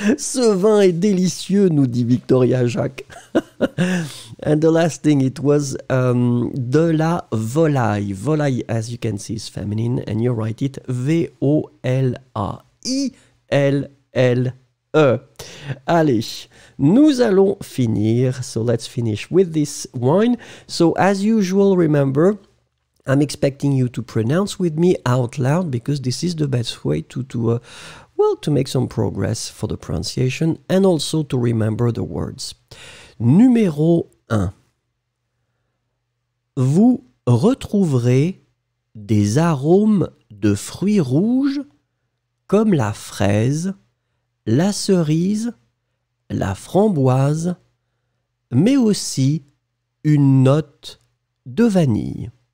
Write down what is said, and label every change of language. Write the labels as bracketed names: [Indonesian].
[French] Ce vin est délicieux, nous dit Victoria Jacques. [English] And the last thing, it was de la volaille. Volaille, as you can see, is feminine. And you write it V-O-L-A-I-L-L-E. Allez. [French] Nous allons finir, [English] so let's finish with this wine. So as usual, remember, I'm expecting you to pronounce with me out loud because this is the best way to make some progress for the pronunciation and also to remember the words. [French] Numéro 1. Vous retrouverez des arômes de fruits rouges comme la fraise, la cerise, la framboise, mais aussi une note de vanille.